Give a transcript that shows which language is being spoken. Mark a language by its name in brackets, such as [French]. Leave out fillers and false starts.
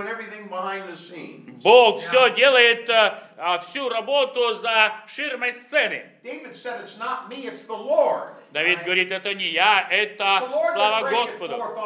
[Russian] Бог все делает, всю работу за ширмой сцены. [English] David said, "It's not me, it's the Lord." [Russian] Давид говорит, это не я, это слава Господу.